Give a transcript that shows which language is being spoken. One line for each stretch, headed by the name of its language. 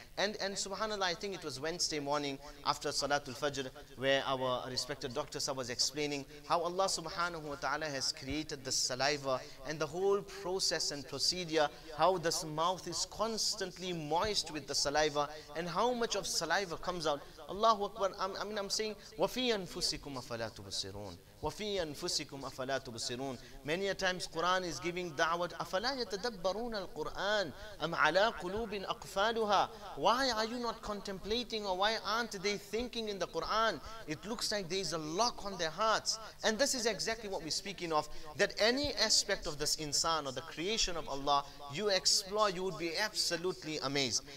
English: And subhanAllah, I think it was Wednesday morning after Salatul Fajr where our respected doctor sir was explaining how Allah subhanahu wa ta'ala has created the saliva and the whole process and procedure, how this mouth is constantly moist with the saliva and how much of saliva comes out.
Arabic: Allahu Akbar.
English: I'm saying
Arabic: وَفِي أَنفُسِكُمْ أَفَلَا تُبُصِرُونَ. وَفِي أَنفُسِكُمْ أَفَلَا تُبُصِرُونَ.
English: Many a times Quran is giving da'wat.
Arabic: أَفَلَا يَتَدَبَّرُونَ الْقُرْآنَ أَمْ عَلَىٰ قُلُوبٍ أَقْفَالُهَا.
English: Why are you not contemplating, or why aren't they thinking in the Quran? It looks like there is a lock on their hearts. And this is exactly what we're speaking of, that any aspect of this insan or the creation of Allah, you explore, you would be absolutely amazed.